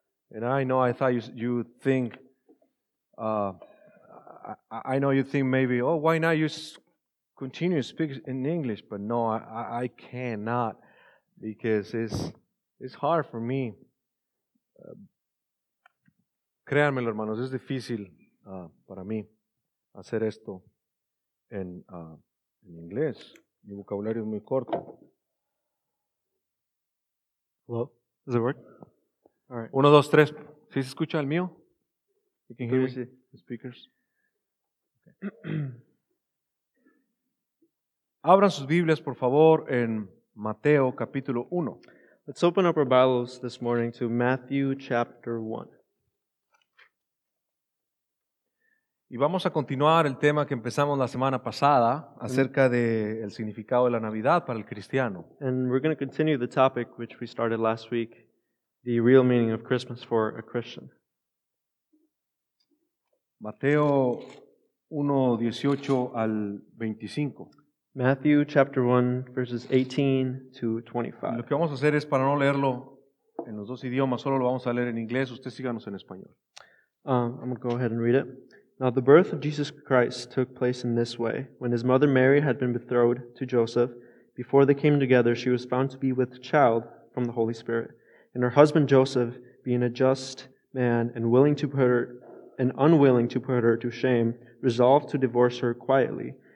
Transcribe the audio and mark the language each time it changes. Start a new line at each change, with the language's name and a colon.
English: And I know I thought you think, I know you think maybe, oh, why not you continue to speak in English? But no, I cannot, because it's hard for me.
Spanish: Créanmelo, hermanos, es difícil para mí hacer esto en inglés. Mi vocabulario es muy corto.
English: Hello, does it work? All right.
Spanish: Uno, dos, tres. ¿Sí se escucha el mío?
English: You can hear me? The speakers. Okay.
Spanish: Abran sus Biblias, por favor, en Mateo, capítulo 1.
English: Let's open up our Bibles this morning to Matthew, chapter 1.
Spanish: Y vamos a continuar el tema que empezamos la semana pasada acerca del significado de la Navidad para el cristiano.
English: And we're going to continue the topic which we started last week. The real meaning of Christmas for a Christian.
Spanish: Mateo 1, 18 al 25.
English: Matthew chapter 1, verses 18 to 25.
Spanish: Lo que vamos a hacer es para no leerlo en los dos idiomas, solo lo vamos a leer en inglés, usted síganos en español.
English: I'm going to go ahead and read it. Now the birth of Jesus Christ took place in this way. When his mother Mary had been betrothed to Joseph, before they came together, she was found to be with child from the Holy Spirit. And her husband Joseph, being a just man and willing to put her, and unwilling to put her to shame, resolved to divorce her quietly.